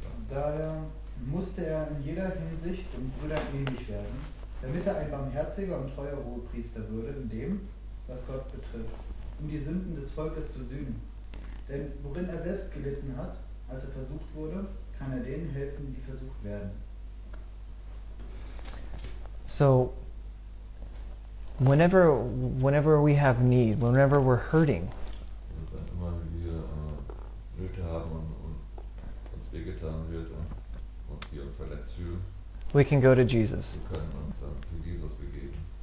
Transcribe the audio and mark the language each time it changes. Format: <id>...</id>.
<de>Daher musste er in jeder Hinsicht dem Bruder ähnlich werden, damit er ein barmherziger und treuer Hohepriester würde, in dem, was Gott betrifft, um die Sünden des Volkes zu sühnen. Denn worin er selbst gelitten hat, als er versucht wurde, kann er denen helfen, die versucht werden.</de> <en>So, whenever we have need, whenever we're hurting,</en> <de>wenn immer wir Nöte haben und uns wehgetan wird und wir uns verletzt fühlen,</de> <en>we can go to Jesus.</en> <de>Wir können uns dann zu Jesus begeben.</de>